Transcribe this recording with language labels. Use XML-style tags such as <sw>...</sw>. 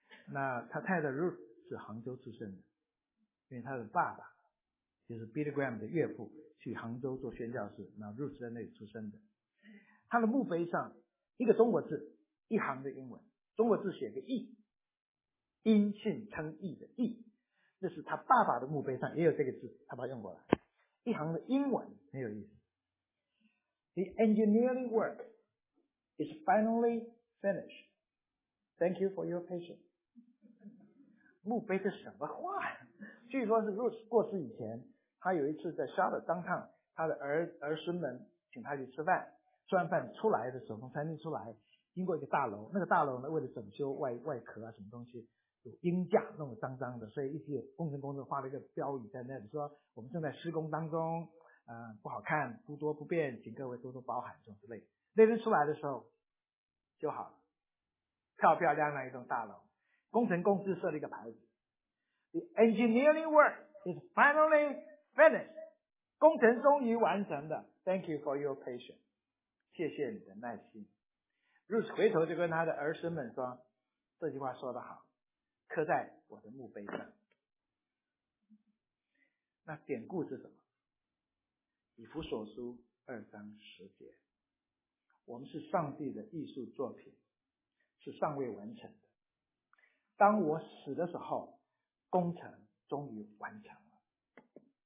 <zh>那他太太 Ruth 是杭州出生的，因为他的爸爸就是 Billy Graham 的岳父去杭州做宣教士，那 Ruth 在那里出生的。他的墓碑上一个中国字，一行的英文，中国字写个义，因信称义的义，那是他爸爸的墓碑上也有这个字，他把它用过来，一行的英文很有意思。</zh> <en>The engineering work is finally finished. Thank you for your patience.</en> <zh>墓碑是什么话呀？据说是 Ruth 过世以前，他有一次在 Charlotte downtown， 他的儿孙们请他去吃饭，吃完饭出来的时候，从餐厅出来，经过一个大楼，那个大楼呢，为了整修外壳啊什么东西，有鹰架弄得脏脏的，所以一些工程公司画了一个标语在那里说，我们正在施工当中，不好看，诸多不便，请各位多多包涵，什么之类的。那天出来的时候就好了，漂漂亮亮一栋大楼。工程公司设了一个牌子，</zh> <en>The engineering work is finally finished，</en> <zh>工程终于完成的。</zh> <en>Thank you for your patience，</en> <zh>谢谢你的耐心。 Ruth 回头就跟他的儿孙们说，这句话说得好，刻在我的墓碑上。那典故是什么？以弗所书二章十节，我们是上帝的艺术作品，是尚未完成的，当我死的时候，工程终于完成了。</zh>